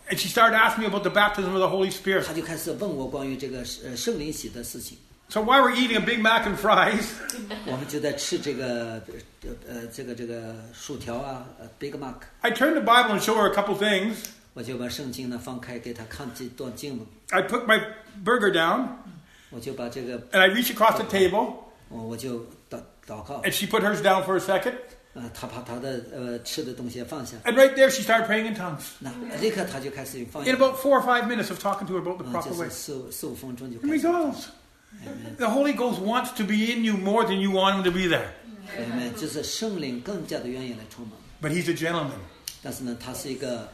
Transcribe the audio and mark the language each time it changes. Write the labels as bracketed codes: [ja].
[en] And she started asking me about the baptism of the Holy Spirit. [zh] 她就开始问我关于这个圣灵洗的事情。 [en] So while we're eating a Big Mac and fries, [zh] 我们就在吃这个薯条Big Mac. [en] I turned the Bible and show her a couple things. [zh] 我就把圣经呢放开给她看几段经文。 [en] I put my burger down, [zh] 我就把这个, [en] and I reached across the table, [zh] 我就祷告, [en] and she put hers down for a second, [zh] 她把她的, 吃的东西放下, [en] and right there she started praying in tongues. [zh] 那立刻她就开始放, [en] in about 4 or 5 minutes of talking to her about the proper way, [zh] 就是四五分钟就开始, [en] and he goes, the Holy Ghost wants to be in you more than you want him to be there. [zh] Amen. 就是圣灵更加的愿意来充满, [en] but he's a gentleman. [zh] 但是呢, 他是一个